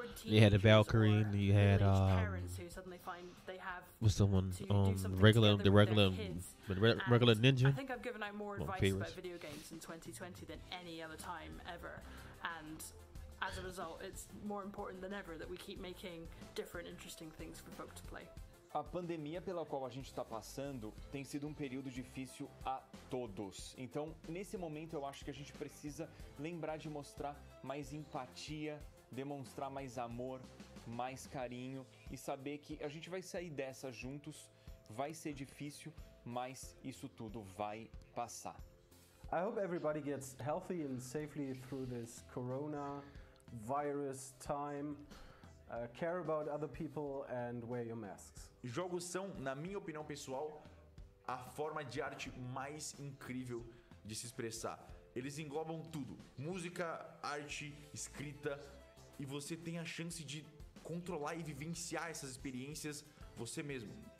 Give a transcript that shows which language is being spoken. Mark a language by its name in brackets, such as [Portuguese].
[English] You had the Valkyrie, and you had, regular Ninja. I think I've given out more advice about video games in 2020 than any other time ever. And as a result, it's more important than ever that we keep making different, interesting things for folk to play. [Portuguese] A pandemia pela qual a gente está passando tem sido um período difícil a todos. Então, nesse momento, eu acho que a gente precisa lembrar de mostrar mais empatia, demonstrar mais amor, mais carinho e saber que a gente vai sair dessa juntos, vai ser difícil, mas isso tudo vai passar. [English] I hope everybody gets healthy and safely through this corona virus time. Care about other people and wear your masks. [Portuguese] Jogos são, na minha opinião pessoal, a forma de arte mais incrível de se expressar. Eles englobam tudo. Música, arte, escrita. E você tem a chance de controlar e vivenciar essas experiências você mesmo.